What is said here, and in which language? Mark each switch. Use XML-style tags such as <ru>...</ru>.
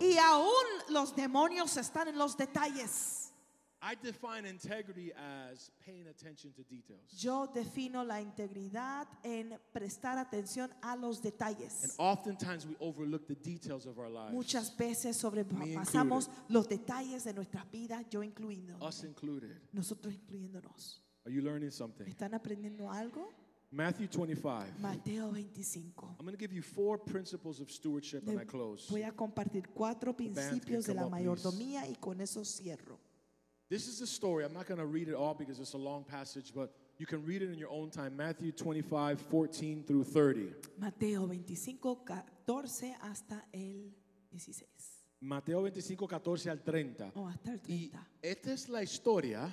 <es>Y aún los demonios están en los detalles.</es> <en>I define integrity as paying attention to details.</en> <es>Yo defino la integridad en prestar atención a los detalles.</es> <en>And oftentimes we overlook the details of our lives.</en> <es>Muchas veces sobrepasamos los detalles de nuestras vidas, yo incluido.</es> <en>Us included.</en> <es>Nosotros incluyéndonos.</es> <en>Are you learning something?</en> <es>¿Están aprendiendo algo?</es> <en>Matthew 25.</en> <es>Mateo 25.</es> <en>I'm going to give you four principles of stewardship and I close.</en> <es>Voy a compartir cuatro principios de la mayordomía y con eso cierro.</es> <en>This is a story. I'm not going to read it all because it's a long passage, but you can read it in your own time. Matthew 25, 14 through 30.</en> <es>Mateo 25, 14 hasta el 16. Mateo 25, 14 al 30. Oh, hasta el 30. Y esta es la historia.</es>